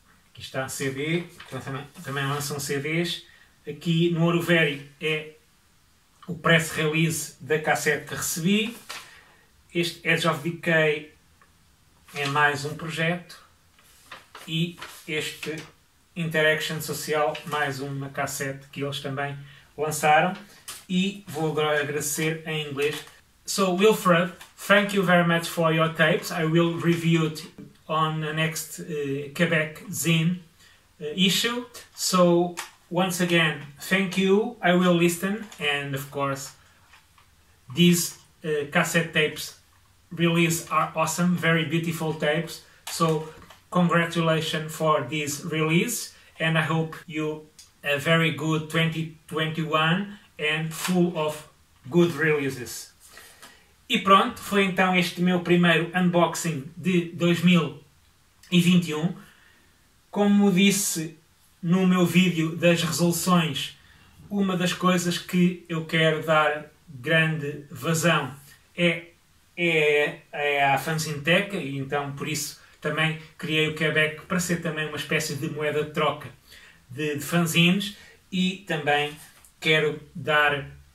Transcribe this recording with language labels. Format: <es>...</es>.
<pt>Aqui está a CD, também lançam CDs. Aqui no Ouro Velho é o press release da cassete que recebi. Este Edge of Decay é mais um projeto. E este Interaction Social, mais uma cassete que eles também lançaram. E vou agora agradecer em inglês.</pt> <en>So, Wilfred, thank you very much for your tapes. I will review it on the next Quebec Zine issue. So, once again, thank you. I will listen. And of course, these cassette tapes release are awesome, very beautiful tapes. So, congratulations for this release. And I hope you a very good 2021 and full of good releases.</en> <pt>E pronto, foi então este meu primeiro unboxing de 2021. Como disse no meu vídeo das resoluções, uma das coisas que eu quero dar grande vazão é a Fanzineteca, e então por isso também criei o Quebec para ser também uma espécie de moeda de troca de fanzines, e também quero dar</pt>